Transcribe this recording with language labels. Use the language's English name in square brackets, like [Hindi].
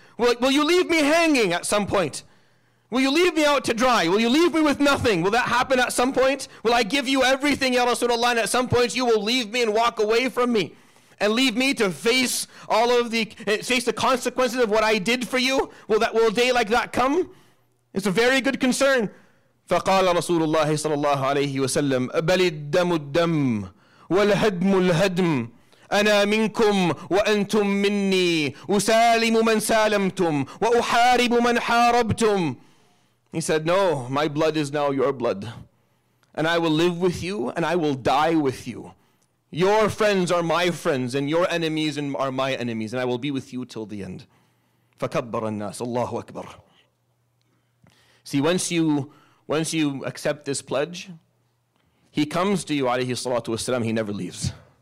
[English] Will you leave me hanging at some point? Will you leave me out to dry? Will you leave me with nothing? Will that happen at some point? Will I give you everything, Ya Rasulullah, and at some point you will leave me and walk away from me and leave me to face the consequences of what I did for you? Will a day like that come? It's a very good concern. [Arabic] فَقَالَ رَسُولُ اللَّهِ صَلَى اللَّهُ عَلَيْهِ وَسَلَّمْ أَبَلِ الدَّمُ الدَّمُ وَالْهَدْمُ الْهَدْمُ أنا منكم وأنتم مني أسالم من سالمتم وأحارب من حاربتم. [English] He said, no, my blood is now your blood. And I will live with you and I will die with you. Your friends are my friends and your enemies are my enemies. And I will be with you till the end. [Arabic] فَكَبَّرَ النَّاسِ [English] Allahu Akbar. See, once you accept this pledge, he comes to you, alayhi salatu wasalam, he never leaves.